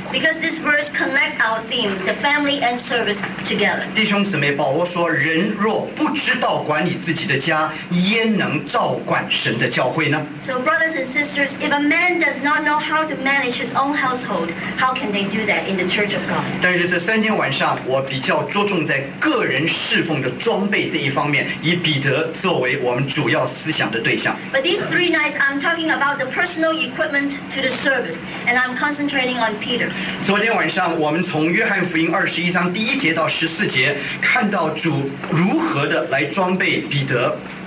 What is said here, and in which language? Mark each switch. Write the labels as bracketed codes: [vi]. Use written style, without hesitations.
[en] Because this verse connects our theme, the family and service together. [zh] 弟兄姊妹，保罗说，人若不知道管理自己的家，焉能照管神的教会呢？ [en] So brothers and sisters, if a man does not know how to manage his own household, how can they do that in the church of God? [zh] 但是这三天晚上，我比较着重在个人侍奉的装备这一方面，以彼得作为我们主要思想的对象。 [en] But these three nights, I'm talking about the personal equipment to the service, and I'm concentrating on Peter. [zh] 昨天晚上我们从约翰福音21:1-14看到主如何的来装备彼得。